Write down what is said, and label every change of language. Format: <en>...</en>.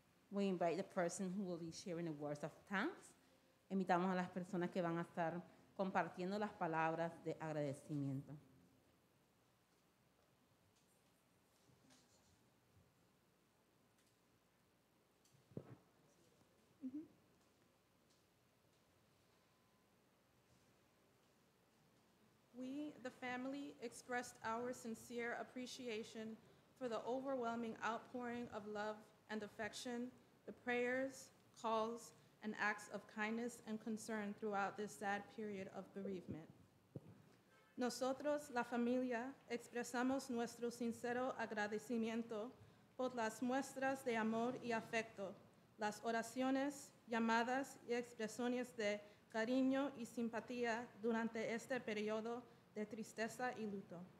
<en>We invite the person who will be sharing the words of thanks.</en> <es>Invitamos a las personas que van a estar compartiendo las palabras de agradecimiento.</es> <en>We, the family, expressed our sincere appreciation for the overwhelming outpouring of love and affection, the prayers, calls, and acts of kindness and concern throughout this sad period of bereavement.</en> <es>Nosotros, la familia, expresamos nuestro sincero agradecimiento por las muestras de amor y afecto, las oraciones, llamadas y expresiones de cariño y simpatía durante este periodo de tristeza y luto.</es>